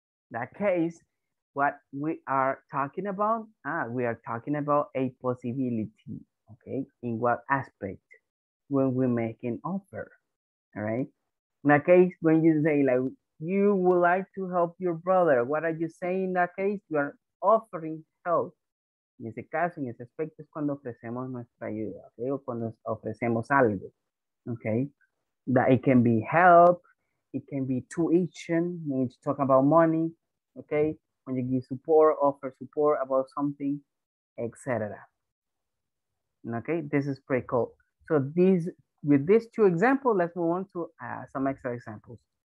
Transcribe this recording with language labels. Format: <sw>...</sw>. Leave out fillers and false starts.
<en>In that case, what we are talking about? We are talking about a possibility. Okay, in what aspect? When we make an offer. All right. In that case, when you say, like, you would like to help your brother, what are you saying in that case? You are offering help.</en> <es>En ese caso, en ese aspecto, es cuando ofrecemos nuestra ayuda, okay? O cuando ofrecemos algo.</es> <en>Okay, that it can be help, it can be tuition, when you talk about money, okay, when you give support, offer support about something, etc. Okay, this is pretty cool. So these, with these two examples, let's move on to some extra examples.</en>